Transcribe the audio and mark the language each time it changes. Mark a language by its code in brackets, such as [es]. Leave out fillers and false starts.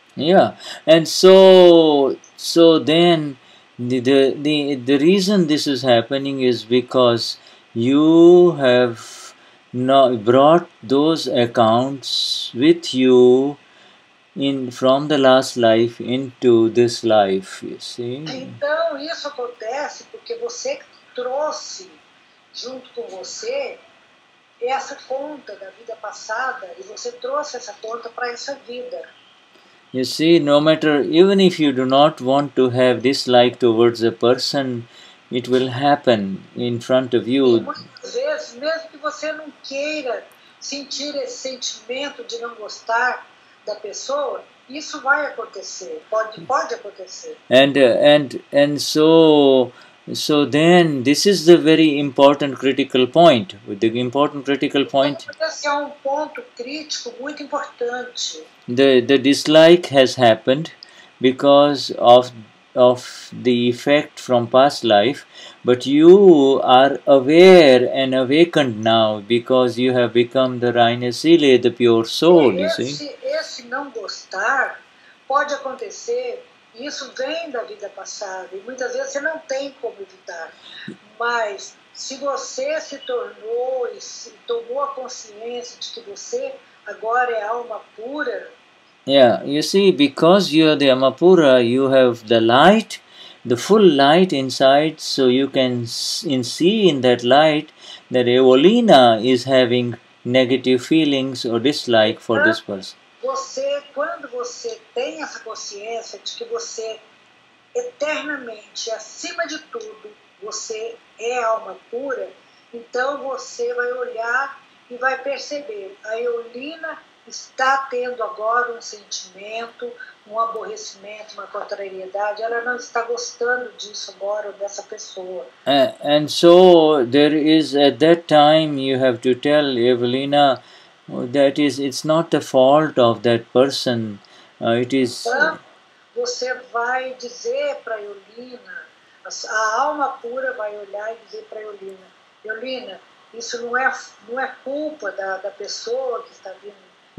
[en] Yeah, and so then the reason this is happening is because you have now brought those accounts with you from the last life into this life, you see. [pt] Então, isso acontece porque você trouxe junto com você essa conta da vida passada e você trouxe essa conta para essa vida. [en] You see, no matter, even if you do not want to have dislike towards a person, it will happen in front of you. [pt] Muitas vezes, mesmo que você não queira sentir esse sentimento de não gostar da pessoa, isso vai acontecer. Pode acontecer. [en] And so then this is the very important critical point. The important critical point. [pt] Esse é um ponto crítico muito importante. [en] The dislike has happened because of the effect from past life, but you are aware and awakened now because you have become the Raina Sile, the pure soul, you see. [pt] Esse não gostar pode acontecer, isso vem da vida passada, e muitas vezes você não tem como evitar. Mas se você se tornou e se tomou a consciência de que você agora é alma pura. [en] Yeah, you see, because you are the Amapura, you have the light, the full light inside, so you can see in that light that Evelina is having negative feelings or dislike for this person. [pt] Você, quando você tem essa consciência de que você eternamente, acima de tudo, você é alma pura, então você vai olhar e vai perceber a Evelina está tendo agora um sentimento, um aborrecimento, uma contrariedade. Ela não está gostando disso agora, dessa pessoa. [en] And so, there is, at that time, you have to tell Evelina, that is, it's not the fault of that person. It is... [pt] Então, você vai dizer para Evelina, a alma pura vai olhar e dizer para Evelina, Evelina, isso não é culpa da pessoa que está vindo.